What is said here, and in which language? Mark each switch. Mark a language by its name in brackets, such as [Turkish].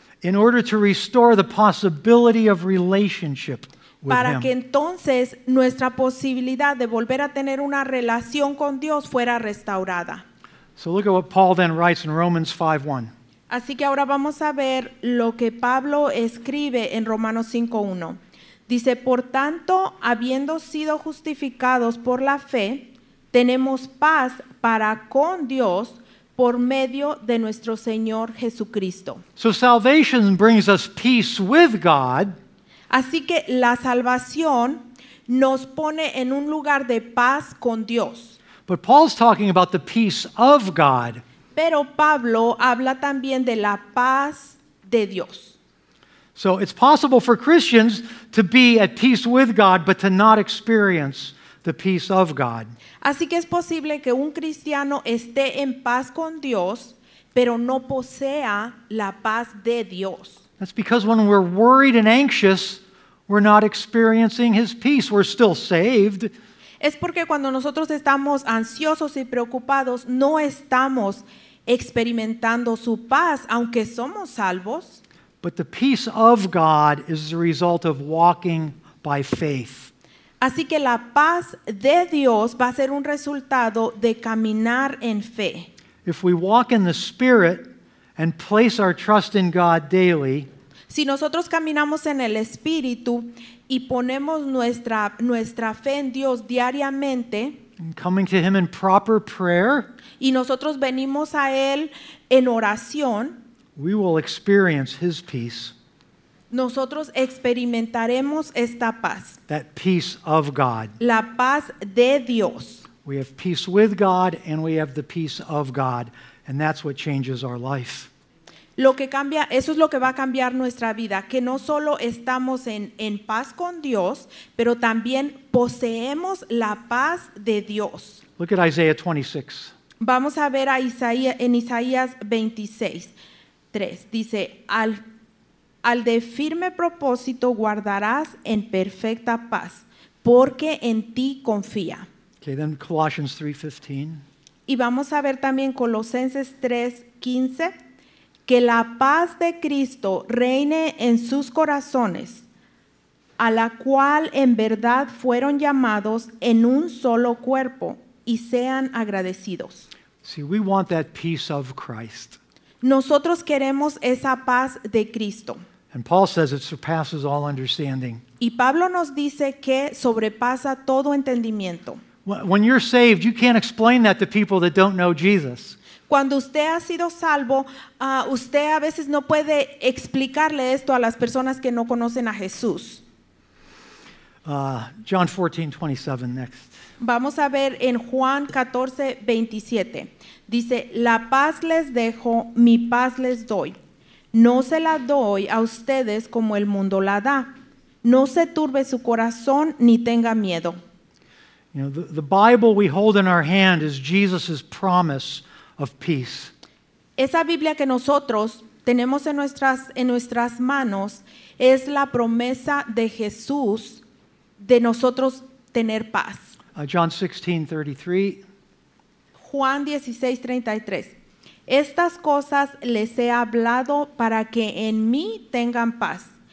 [English] In order to restore the possibility of relationship with Him. [Spanish] Para que entonces nuestra posibilidad de volver a tener una relación con Dios fuera restaurada. [English] So look at what Paul then writes in Romans 5:1. [Spanish] Así que ahora vamos a ver lo que Pablo escribe en Romanos 5:1. Dice, por tanto, habiendo sido justificados por la fe, tenemos paz para con Dios por medio de nuestro Señor Jesucristo. [English] So salvation brings us peace with God. [Spanish] Así que la salvación nos pone en un lugar de paz con Dios. [English] But Paul's talking about the peace of God. [Spanish] Pero Pablo habla también de la paz de Dios. [English] So it's possible for Christians to be at peace with God, but to not experience the peace of God. [Spanish] Así que es posible que un cristiano esté en paz con Dios, pero no posea la paz de Dios. [English] That's because when we're worried and anxious, we're not experiencing His peace. We're still saved. [Spanish] Es porque cuando nosotros estamos ansiosos y preocupados, no estamos experimentando su paz, aunque somos salvos. [English] But the peace of God is the result of walking by faith. [Spanish] Así que la paz de Dios va a ser un resultado de caminar en fe. [English] If we walk in the Spirit and place our trust in God daily, [Spanish] si nosotros caminamos en el Espíritu y ponemos nuestra fe en Dios diariamente, [English] and coming to Him in proper prayer, [Spanish] y nosotros venimos a Él en oración, [English] we will experience His peace. [Spanish] Nosotros experimentaremos esta paz. [English] That peace of God. [Spanish] La paz de Dios. [English] We have peace with God and we have the peace of God. And that's what changes our life. [Spanish] Lo que cambia, eso es lo que va a cambiar nuestra vida. Que no solo estamos en paz con Dios, pero también poseemos la paz de Dios. [English] Look at Isaiah 26. [Spanish] Vamos a ver en Isaías 26. 3. Dice, al de firme propósito guardarás en perfecta paz, porque en ti confía. [English] Okay, then Colossians 3:15. [Spanish] Y vamos a ver también Colosenses 3:15, que la paz de Cristo reine en sus corazones, a la cual en verdad fueron llamados en un solo cuerpo, y sean agradecidos. [English] See, we want that peace of Christ. [Spanish] Nosotros queremos esa paz de Cristo. [English] And Paul says it surpasses all understanding. [Spanish] Y Pablo nos dice que sobrepasa todo entendimiento. [English] When you're saved, you can't explain that to people that don't know Jesus. [Spanish] Cuando usted ha sido salvo, usted a veces no puede explicarle esto a las personas que no conocen a Jesús. [English] John 14:27 next. [Spanish] Vamos a ver en Juan 14:27. Dice, la paz les dejo, mi paz les doy. No se la doy a ustedes como el mundo la da. No se turbe su corazón ni tenga miedo. [English] You know, the Bible we hold in our hand is Jesus' promise of peace. [Spanish] Esa Biblia que nosotros tenemos en nuestras manos es la promesa de Jesús de nosotros tener paz. [English] John 16:33. [Spanish] Juan 16:33. Estas cosas les he hablado para que en mí tengan paz.